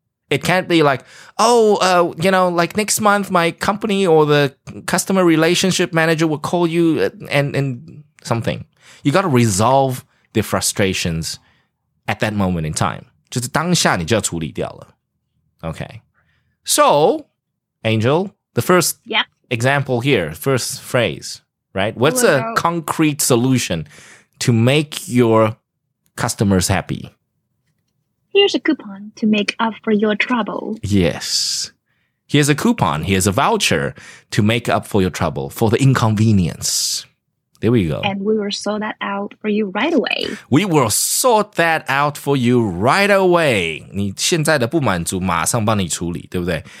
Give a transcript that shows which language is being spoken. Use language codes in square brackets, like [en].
[en] It can't be like, oh, you know, like next month, my company or the customer relationship manager will call you and something. You got to resolve the frustrations at that moment in time. [zh] 就是当下你就要处理掉了。 [en] Okay. So, Angel, the first example here, first phrase, right? What's a concrete solution to make your customers happy. Here's a coupon to make up for your trouble. Yes. Here's a coupon. Here's a voucher to make up for your trouble, for the inconvenience. There we go. And we will sort that out for you right away. We will sort that out for you right away. [zh] 你现在的不满足马上帮你处理，对不对？